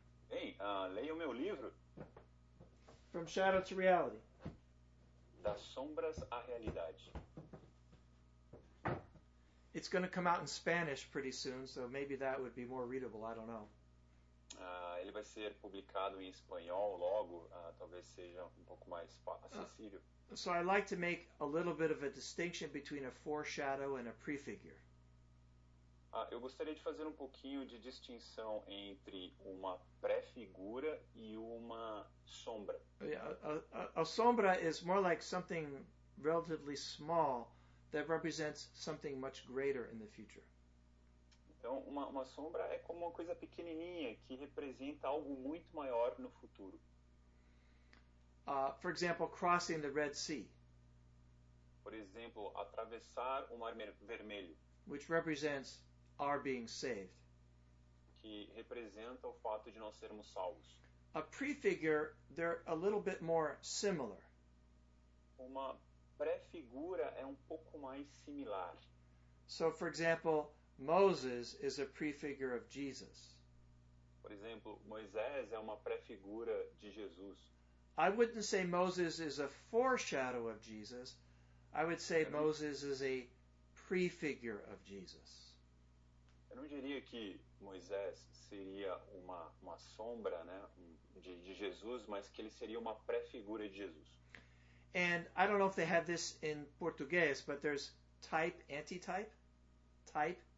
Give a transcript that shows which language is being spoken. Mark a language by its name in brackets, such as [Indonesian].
[Portuguese] Hey, leia o meu livro. [English] From Shadow to Reality. [Portuguese] Das sombras à realidade. [English] It's going to come out in Spanish pretty soon, so maybe that would be more readable, I don't know. [Portuguese] Ele vai ser publicado em espanhol logo, talvez seja um pouco mais acessível. [English] So I like to make a little bit of a distinction between a foreshadow and a prefigure. [Portuguese] Eu gostaria de fazer um pouquinho de distinção entre uma pré-figura e uma sombra. A sombra [English] is more like something relatively small that represents something much greater in the future. [Portuguese] Então, uma sombra é como uma coisa pequenininha que representa algo muito maior no futuro. [English] For example, crossing the Red Sea. [Portuguese] Por exemplo, atravessar o Mar Vermelho. [English] Which represents our being saved. [Portuguese] Que representa o fato de nós sermos salvos. [English] A prefigure, they're a little bit more similar. [Portuguese] Uma pré-figura é um pouco mais similar. [English] So, for example, Moses is a prefigure of Jesus. [Portuguese] Por exemplo, Moisés é uma pré-figura de Jesus. [English] I wouldn't say Moses is a foreshadow of Jesus. I would say Moses is a prefigure of Jesus. [Portuguese] Eu não diria que Moisés seria uma sombra, né, de Jesus, mas que ele seria uma pré-figura de Jesus. [English] And I don't know if they have this in Portuguese, but there's type, anti-type, type.